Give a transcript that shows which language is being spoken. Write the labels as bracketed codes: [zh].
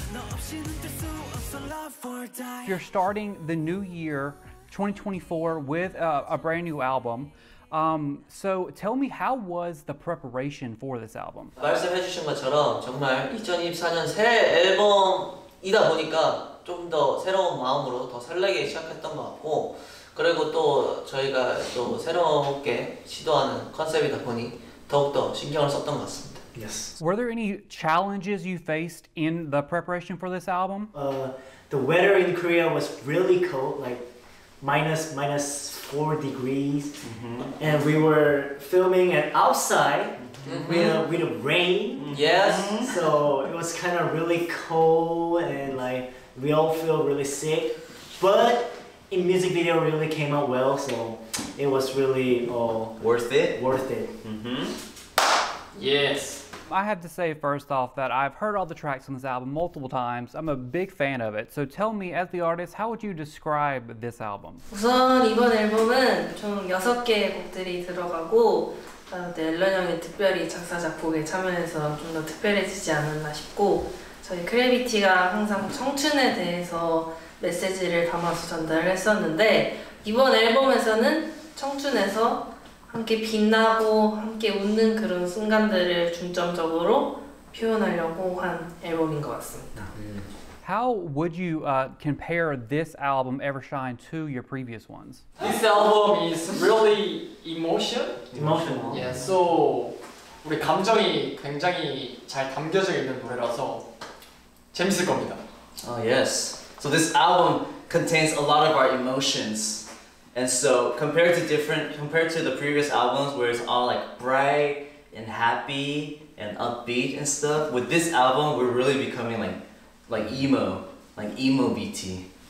[en] If you're starting the new year, 2024, with a brand new album, so tell me, how was the preparation for this album? [ko] 말씀해 주신 것처럼 정말 2024년 새 앨범이다 보니까 좀 더 새로운 마음으로 더 설레게 시작했던 것 같고 그리고 또 저희가 또 새롭게 시도하는 컨셉이다 보니 더욱더 신경을 썼던 것 같습니다. [en] Yes. Were there any challenges you faced in the preparation for this album? The weather in Korea was really cold, like -4 degrees. Mm-hmm. And we were filming it outside mm-hmm. with rain. Mm-hmm. Yes. So it was kind of really cold and like we all feel really sick. But the music video really came out well, so it was really worth it. Worth it. Mm-hmm. Yes. I have to say first off that I've heard all the tracks on this album multiple times. I'm a big fan of it. So tell me, as the artist, how would you describe this album? [ko] 우선 이번 앨범은 총 6개의 곡들이 들어가고 앨런 형이 특별히 작사 작곡에 참여해서 좀 더 특별해지지 않았나 싶고 저희 크래비티가 항상 청춘에 대해서 메시지를 담아서 전달을 했었는데 이번 앨범에서는 청춘에서 함께 빛나고 함께 웃는 그런 순간들을 중점적으로 표현하려고 한 앨범인 것 같습니다. [en] How would you compare this album, Evershine, to your previous ones? This album is really emotional. Emotional. Yeah. [ko] So 우리 감정이 굉장히 잘 담겨져 있는 노래라서 재밌을 겁니다. [en] Yes. So this album contains a lot of our emotions. And so compared to the previous albums where it's all like bright and happy and upbeat and stuff, with this album we're really becoming like emo BT.